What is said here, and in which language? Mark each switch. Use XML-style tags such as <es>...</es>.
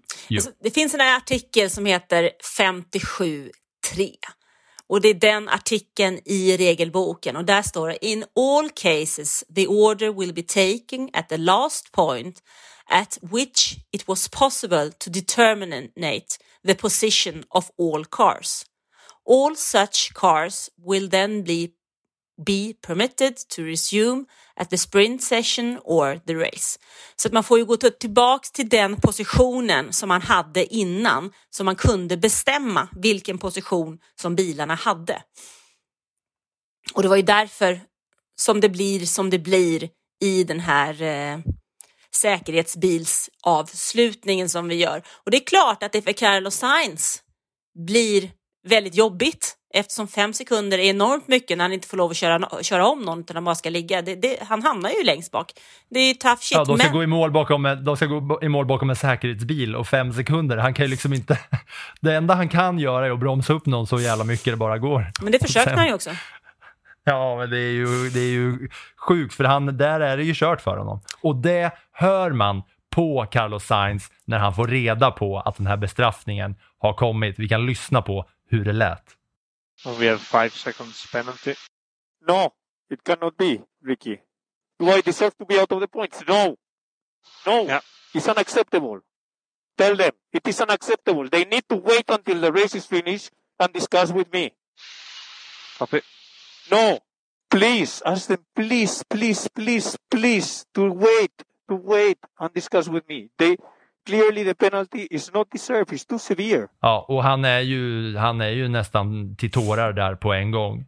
<sv>Alltså, det finns en artikel som heter 57.3 och det är den artikeln i regelboken, och där står det:</sv> <en>in all cases the order will be taken at the last point at which it was possible to determine the position of all cars. All such cars will then be permitted to resume at the sprint session or the race.</en> <sv>Så att man får ju gå tillbaka till den positionen som man hade innan, så man kunde bestämma vilken position som bilarna hade. Och det var ju därför som det blir i den här säkerhetsbilsavslutningen som vi gör. Och det är klart att det för Carlos Sainz blir väldigt jobbigt, eftersom 5 sekunder är enormt mycket när han inte får lov att köra om någon, utan han bara ska ligga. Han hamnar ju längst bak. Det är ju</sv> <en>tough shit.</en> <sv>Ja, de ska gå i mål bakom en säkerhetsbil och 5 sekunder. Han kan ju liksom inte... det enda han kan göra är att bromsa upp någon så jävla mycket det bara går. Men det försökte han ju också. Ja, men det är ju sjukt, för han, där är det ju kört för honom. Och det hör man på Carlos Sainz när han får reda på att den här bestraffningen har kommit. Vi kan lyssna på hur det lät.</sv> <en>Well, we have 5 seconds penalty. No, it cannot be, Ricky. Do I deserve to be out of the points? No. No, yeah. It's unacceptable. Tell them, it is unacceptable. They need to wait until the race is finished and discuss with me. Stop it. No, please, ask them, please, please, please, please, to wait and discuss with me. They clearly, the penalty is not deserved. It's too severe.</en> <sv>Ja, och han är ju nästan till tårar där på en gång.</sv>